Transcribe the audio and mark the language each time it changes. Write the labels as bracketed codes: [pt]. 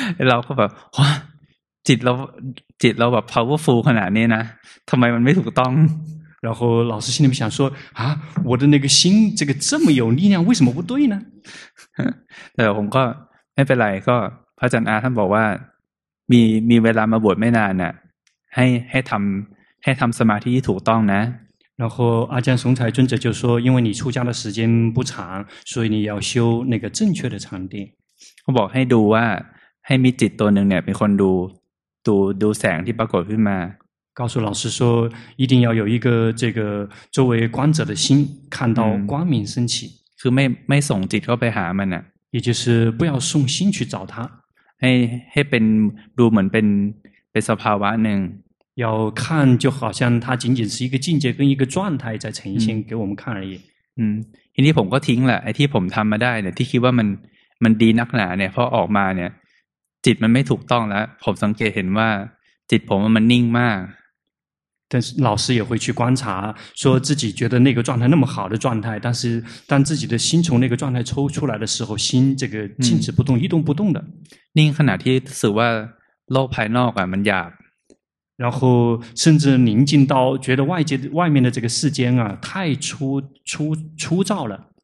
[th] เราก็แบบว่าจิตเราแบบ powerful ขนาดนี้นะทำไมมันไม่ถูกต้อง [zh] 然后老师心里面想说啊我的那个心这个这么有力量为什么不对呢 [th] แต่ผมก็ไม่เป็นไรก็พระอาจารย์อาท่านบอกว่ามีเวลามาบวชไม่นานน่ะให้ทำสมาธิที่ถูกต้องนะ [zh] 然后阿江松才尊者就说因为你出家的时间不长所以你要修那个正确的禅定 [th] เขาบอกให้ดูว่าให้มีจิตตัวหนึ่งเนี่ยเป็นคนดูแสงที่ปรากฏขึ้นมา [zh] 告诉老师说一定要有一个这个作为观者的心看到光明升起 [th] คือไม่ส่งจิตเข้าไปหามันอ่ะ [zh] 也就是不要送心去找他 [th] ให้เป็นดูเหมือนเป็นสภาวะหนึ่ง [zh] 要看就好像它仅仅是一个境界跟一个状态在呈现给我们看而已 [th] ทีนี้ผมก็ทิ้งแหละไอ้ที่ผมทำมาได้เนี่ยที่คิดว่ามันดีนักหนาเนี่ยพอออกมาเนี่ยจิตมันไม่ถูกต้องแล้วผมสังเกตเห็นว่าจิตผมมันนิ่งมาก [zh] 但是老师也会去观察说自己觉得那个状态那么好的状态但是当自己的心从那个状态抽出来的时候心这个静止不动一动不动的 [th] นิ่งขนาดที่รู้สึกว่าโลกภายนอกอ่ะมันหยาบ [zh] 然后甚至宁静到觉得外面的这个世间啊太粗糙了